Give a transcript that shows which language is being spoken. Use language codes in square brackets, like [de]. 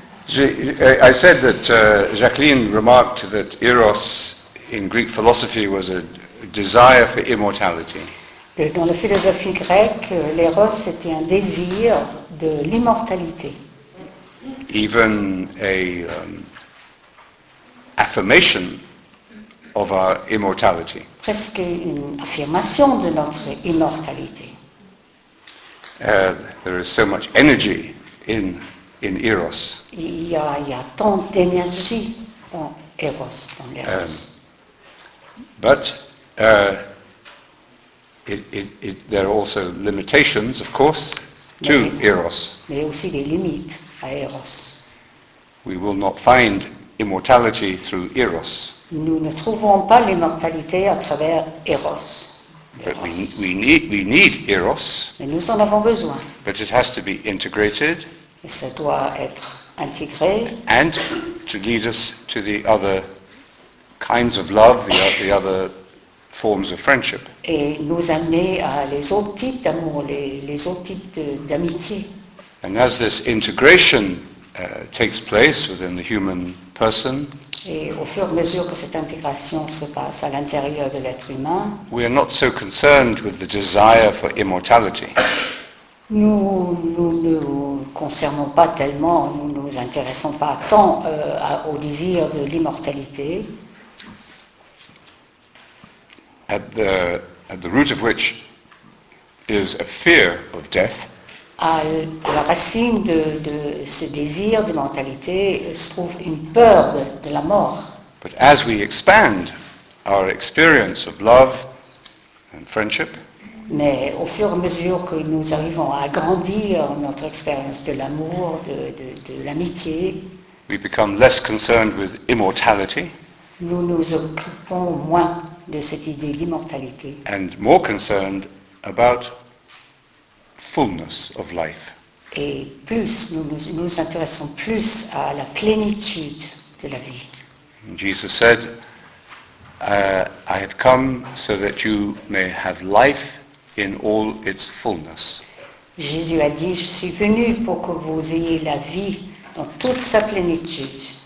[en] I said that Jacqueline remarked that eros in Greek philosophy was a desire for immortality. [fr] Dans la philosophie grecque, l'eros était un désir de l'immortalité. [en] Even a affirmation of our immortality. [fr] Presque une affirmation de notre immortalité. [en] There is so much energy in eros. [fr] Il y a tant d'énergie dans eros, dans l'eros. [en] But there are also limitations, of course, to eros. [fr] Mais aussi des limites à eros. [en] We will not find immortality through eros. [fr] Nous ne trouvons pas l'immortalité à travers Eros. [en] But we need Eros. [fr] Mais nous en avons besoin. [en] But it has to be integrated. [fr] Et ça doit être intégré. [en] And to lead us to the other kinds of love, the other forms of friendship. [fr] Et nous amener à les autres types d'amour, les autres types d'amitié. [en] And as this integration takes place within the human person, [fr] et au fur et à mesure que cette intégration se passe à l'intérieur de l'être humain, [en] we are not so concerned with the desire for immortality. [fr] Nous ne nous concernons pas tellement, nous ne nous intéressons pas tant au désir de l'immortalité. [en] At the root of which is a fear of death. [fr] À la racine de ce désir d'immortalité se trouve une peur de la mort. [en] But as we expand our experience of love and friendship, [fr] Mais au fur et à mesure que nous arrivons à grandir notre expérience de l'amour, de l'amitié, [en] we become less concerned with immortality [fr] nous nous occupons moins de cette idée d'immortalité. [en] and more concerned about fullness of life. [fr] Et plus nous intéressons plus à la plénitude de la vie. [en] Jesus said, I have come so that you may have life in all its fullness. [fr] Jésus a dit, je suis venu pour que vous ayez la vie dans toute sa plénitude.